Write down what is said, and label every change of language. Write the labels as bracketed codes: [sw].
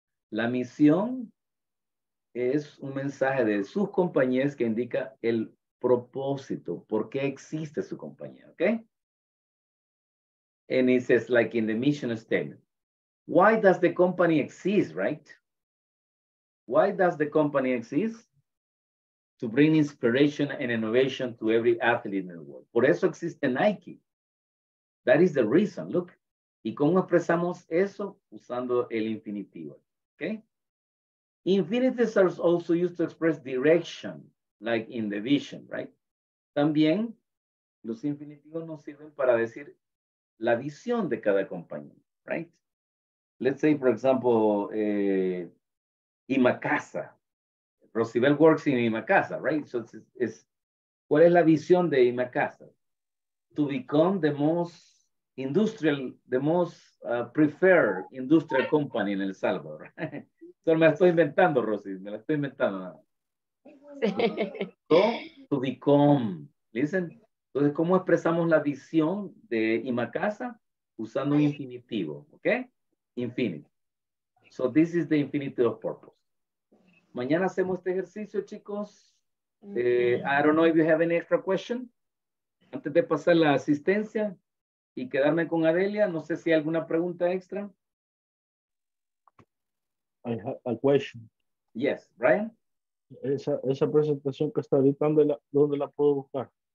[es] La misión es un mensaje de sus compañías que indica el propósito, por qué existe su compañía, ¿ok? [en] And it says, like in the mission statement, why does the company exist, right? Why does the company exist? To bring inspiration and innovation to every athlete in the world. [es] Por eso existe [en] Nike. That is the reason, look. [es] ¿Y cómo expresamos eso? Usando el infinitivo, ¿ok? [en] Infinitives are also used to express direction. Like in the vision, right? [es] También los infinitivos nos sirven para decir la visión de cada compañía, right? [en] Let's say, for example, Imacasa. Rocibel works in Imacasa, right? So it's [es] ¿cuál es la visión de Imacasa? [en] To become the most industrial, the most preferred industrial company in El Salvador. [es] Solo me la estoy inventando, Rosy, me la estoy inventando nada. [en] To become, listen. [es] Entonces, ¿cómo expresamos la visión de Imacasa? Usando un infinitivo, ¿ok? [en] Infinite. So, this is the infinitive of purpose. [es] Mañana hacemos este ejercicio, chicos. [en] I don't know if you have any extra question. [es] Antes de pasar la asistencia y quedarme con Adelia, no sé si hay alguna pregunta extra. [en] I have a question. Yes, Brian. [es] Esa presentación que está editando, ¿dónde la puedo buscar?